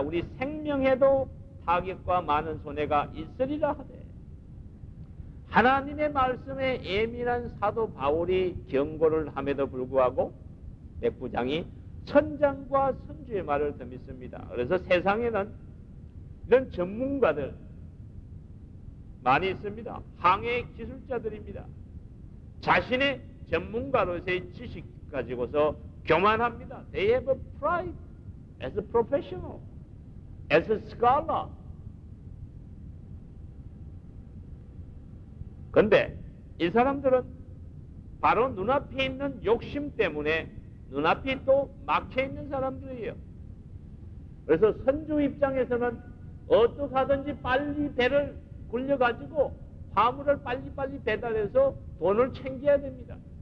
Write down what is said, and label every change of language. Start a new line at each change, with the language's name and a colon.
Korean: 우리 생명에도 타격과 많은 손해가 있으리라 하되 하나님의 말씀에 예민한 사도 바울이 경고를 함에도 불구하고 백부장이 선장과 선주의 말을 더 믿습니다. 그래서 세상에는 이런 전문가들 많이 있습니다. 항해 기술자들입니다. 자신의 전문가로서의 지식 가지고서 교만합니다.
English: They have a pride as a professional, as a scholar.
Korean: 근데 이 사람들은 바로 눈앞에 있는 욕심 때문에 눈앞이 또 막혀있는 사람들이에요. 그래서 선주 입장에서는 어떡하든지 빨리 배를 굴려가지고 화물을 빨리빨리 배달해서 돈을 챙겨야 됩니다.